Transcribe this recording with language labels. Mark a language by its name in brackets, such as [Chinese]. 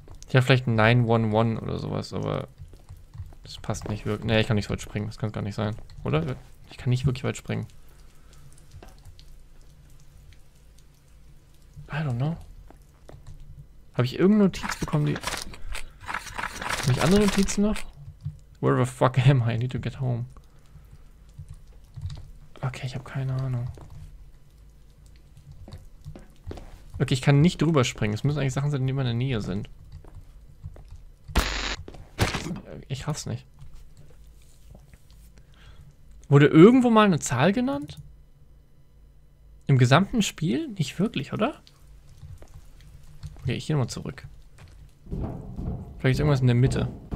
[German] Ich habe vielleicht 911 oder sowas, aber... Das passt nicht wirklich. Nee, ich kann nicht so weit springen. Das kann gar nicht sein. Oder? Ich kann nicht wirklich weit springen. [English] I don't know. [German] Habe ich irgendeine Notiz bekommen, die... Habe ich andere Notizen noch? [English] Where the fuck am I? I need to get home. [German] Okay, ich habe keine Ahnung. Okay, ich kann nicht drüber springen. Es müssen eigentlich Sachen sein, die immer in der Nähe sind. Ich raff's nicht. Wurde irgendwo mal eine Zahl genannt? Im gesamten Spiel? Nicht wirklich, oder? Okay, ich geh nochmal zurück. Vielleicht ist irgendwas in der Mitte.